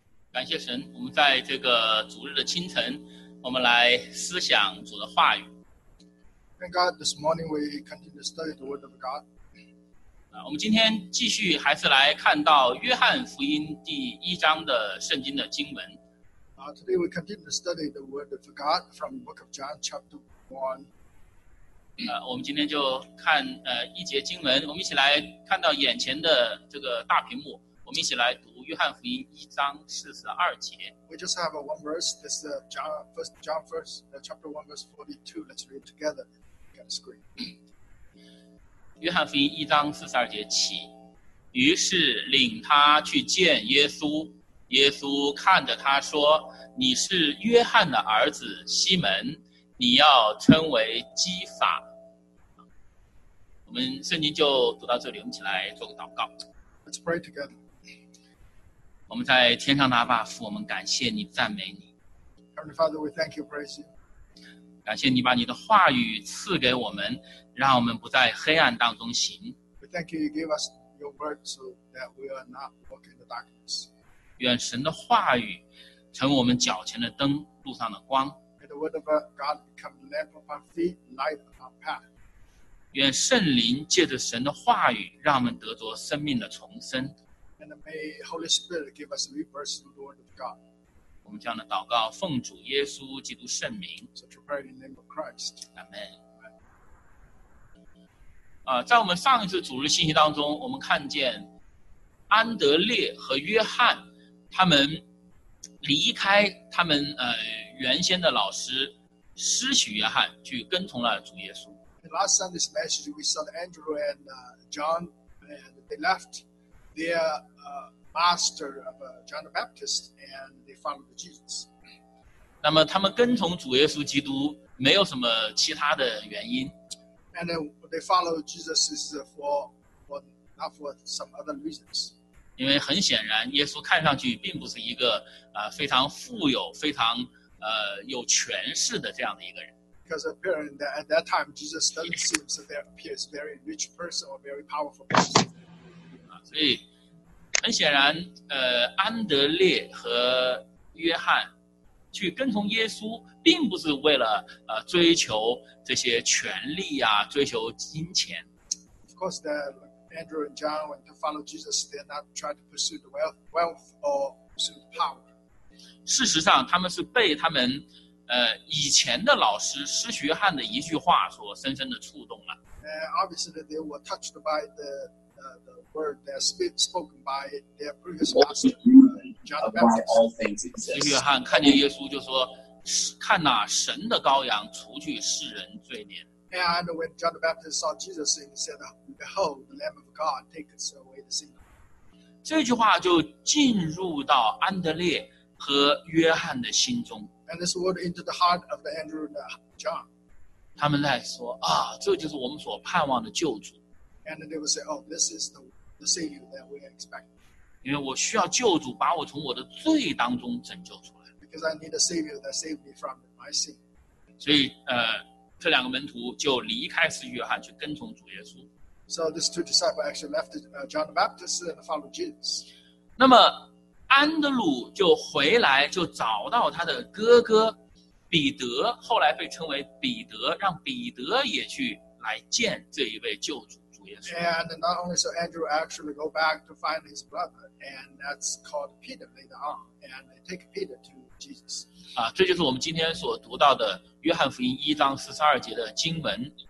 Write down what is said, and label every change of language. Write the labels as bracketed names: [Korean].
[Chinese] 感谢神，我们在这个主日的清晨，我们来思想主的话语。 [English] Thank God, this morning we continue to study the Word of God. [Chinese] 我们今天继续还是来看到约翰福音第一章的圣经的经文。 [English] Today we continue to study the word of God from the book of John chapter 1. [Chinese] 我们今天就看一节经文，我们一起来看到眼前的这个大屏幕，我们一起来读约翰福音一章四十二节。 [English] We just have one verse, this is John chapter 1 verse 42, let's read together, get a screen. [Chinese] 约翰福音一章四十二节起，于是领他去见耶稣，耶稣看着他说，你是约翰的儿子西门，你要称为基法。我们圣经就读到这里，我们一起来做个祷告。 [English] Let's pray together. [Chinese] 我们在天上的阿爸父，我们感谢你，赞美你。 [English] Heavenly Father, we thank you, praise you. [Chinese] 感谢你把你的话语赐给我们，让我们不在黑暗当中行。 [English] We thank you, you gave us your word so that we are not walking in the darkness. [Chinese] 愿神的话语成为我们脚前的灯，路上的光。 [English] May the word of God become the lamp of our feet, light of our path. [Chinese] 愿圣灵借着神的话语，让我们得着生命的重生。 [English] And may Holy Spirit give us a rebirth through the word of God. [Chinese] 我们这样的祷告奉主耶稣基督圣名。 [English] Amen. [Chinese] 在我们上一次主日信息当中，我们看见安德烈和约翰他们离开他们原先的老师失去约翰，去跟从了主耶稣。 [English] And last Sunday's message, we saw that Andrew and John, and they left their master of John the Baptist, and they followed Jesus. [Chinese] 那么他们跟从主耶稣基督没有什么其他的原因。 [English] And they followed Jesus for not for some other reasons. [Chinese] 因为很显然，耶稣看上去并不是一个非常富有、非常有权势的这样的一个人。 [English] Because apparently at that time Jesus doesn't seem to appear as a very rich person or very powerful person. [Chinese] 所以很显然，安德烈和约翰去跟从耶稣，并不是为了追求这些权力呀、啊，追求金钱。 [English] Of course, that Andrew and John, when they follow Jesus, they're not trying to pursue the wealth or pursue power. [Chinese] 事实上，他们是被他们以前的老师施学汉的一句话所深深的触动了。 [English] Obviously, they were touched by the word that's spoken by their previous master. Of all things, [Chinese] 约翰看见耶稣就说：“看哪，神的羔羊，除去世人罪孽。” [English] And when John the Baptist saw Jesus, he said, "Behold, the Lamb of God, takes away the sin." [Chinese] 这句话就进入到安德烈和约翰的心中。 [English] And this word into the heart of the Andrew and John. [Chinese] 他们在说啊，这就是我们所盼望的救主。 [English] And they would say, "Oh, this is the Savior that we expect." [Chinese] 因为我需要救主把我从我的罪当中拯救出来。 [English] Because I need a savior that saved me from my sin. [Chinese] 所以这两个门徒就离开施洗约翰去跟从主耶稣。 [English] So these two disciples actually left John the Baptist and followed Jesus. [Chinese] 那么安德鲁就回来就找到他的哥哥彼得，后来被称为彼得，让彼得也去来见这一位救主。 [English] And not only so, Andrew actually go back to find his brother, and that's called Peter later on, and they take Peter to Jesus. [Chinese] 这就是我们今天所读到的约翰福音一章四十二节的经文。